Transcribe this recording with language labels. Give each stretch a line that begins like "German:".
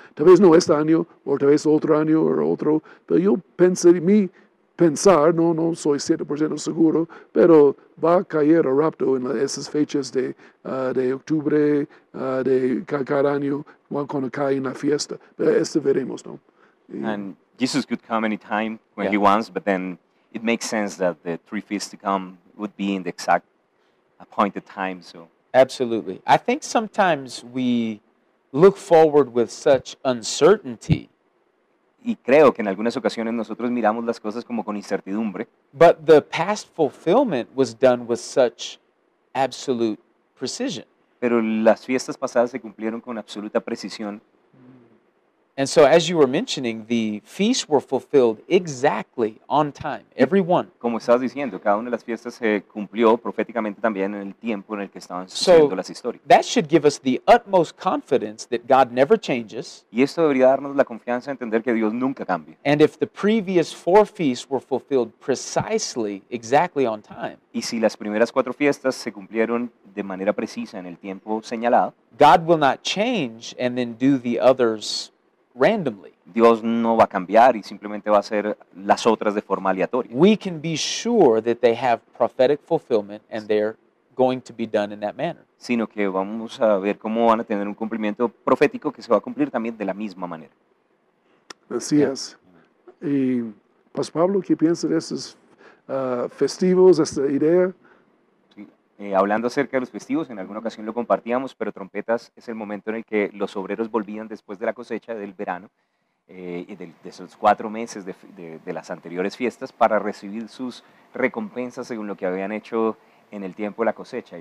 Spanish: Tal vez no este año, o tal vez otro año, o otro. Pero yo pensar, no soy 100% seguro, pero va a caer a rapto en esas fechas de octubre, de cada año, cuando cae en la fiesta. Pero esto veremos, ¿no?
English: And Jesus could come anytime when he wants, but then it makes sense that the three feasts to come would be in the exact appointed time. So absolutely. I think sometimes we look forward with such uncertainty.
Spanish: Y creo que en algunas ocasiones nosotros miramos las cosas como con incertidumbre.
English: But the past fulfillment was done with such absolute precision.
Spanish: Pero las fiestas pasadas se cumplieron con absoluta precisión.
English: And so as you were mentioning, the feasts were fulfilled exactly on time, every one.
Spanish: Como estás diciendo, cada una de las fiestas se cumplió proféticamente también en el tiempo en el que estaban sucediendo las historias.
English: So that should give us the utmost confidence that God never changes.
Spanish: Y esto debería darnos la confianza de entender que Dios nunca cambia.
English: And if the previous four feasts were fulfilled precisely, exactly on time.
Spanish: Y si las primeras cuatro fiestas se cumplieron de manera precisa en el tiempo señalado.
English: God will not change and then do the others randomly.
Spanish: Dios no va a cambiar y simplemente va a hacer las otras de forma aleatoria.
English: We can be sure that they have prophetic fulfillment and they're going to be done in that manner.
Spanish: Sino que vamos a ver cómo van a tener un cumplimiento profético que se va a cumplir también de la misma manera. Así es. Y, pues Pablo, ¿qué piensas de esos festivos, esta idea? Hablando acerca de los festivos, en alguna ocasión lo compartíamos, pero trompetas es el momento en el que los obreros volvían después de la cosecha del verano y de esos cuatro meses de las anteriores fiestas para recibir sus recompensas según lo que habían hecho en el tiempo de la cosecha.